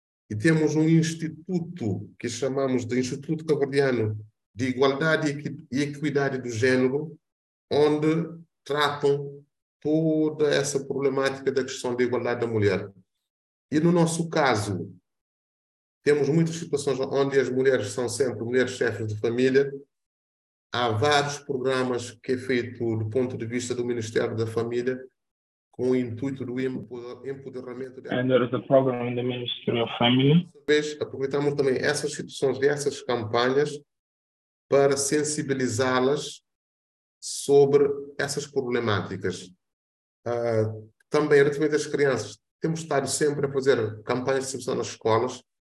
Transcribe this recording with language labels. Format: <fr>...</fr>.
<pt>E temos um instituto que chamamos de Instituto Cabo-Verdiano de Igualdade e Equidade do Gênero, onde tratam toda essa problemática da questão da igualdade da mulher. E no nosso caso, temos muitas situações onde as mulheres são sempre mulheres chefes de família. Há vários programas que é feito do ponto de vista do Ministério da Família com o intuito do empoderamento...</pt> <en>And there is a program in the Ministry of Family.</en> <pt>Aproveitamos também essas situações e essas campanhas para sensibilizá-las sobre essas problemáticas. Também, relativamente às crianças, temos estado sempre a fazer campanhas de sensibilização nas escolas.</pt>